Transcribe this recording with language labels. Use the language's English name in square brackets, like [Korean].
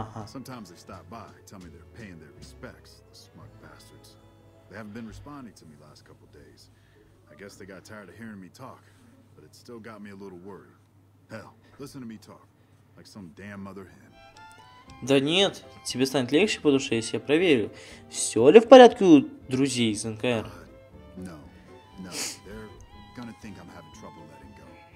[English] Sometimes they stop by, tell me they're paying their respects, the smug bastards. They haven't been responding to me last couple days. I guess they got tired of hearing me talk, but it still got me a little worried. Hell, listen to me talk, like some damn mother hen. [Russian] Да нет, тебе станет легче по душе, если я проверю, все ли в порядке у друзей из НКР. [English] No, they're gonna think I'm having trouble letting go.